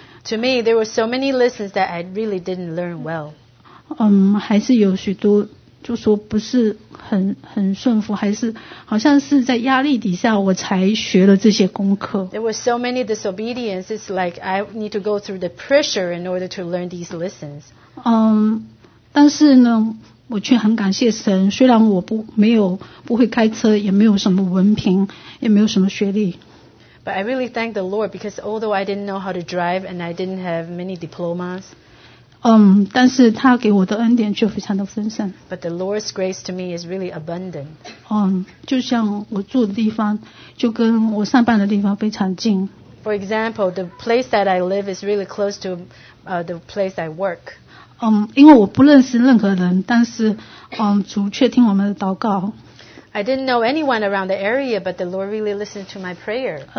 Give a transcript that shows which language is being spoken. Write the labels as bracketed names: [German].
[English] To me, there were so many lessons that I really didn't learn well. [Chinese] 还是有许多，就说不是很顺服，还是好像是在压力底下我才学了这些功课。 [English] There were so many disobediences, like I need to go through the pressure in order to learn these lessons. [Chinese] 但是呢，我却很感谢神。虽然我不会开车，也没有什么文凭，也没有什么学历。 [English] But I really thank the Lord because although I didn't know how to drive and I didn't have many diplomas. [Chinese] 但是他给我的恩典却非常的丰盛。 [English] But the Lord's grace to me is really abundant. [Chinese] 就像我住的地方就跟我上班的地方非常近。 [English] For example, the place that I live is really close to the place I work. [Chinese] 因为我不认识任何人，但是主却听我们的祷告。 [English] I didn't know anyone around the area, but the Lord really listened to my prayer.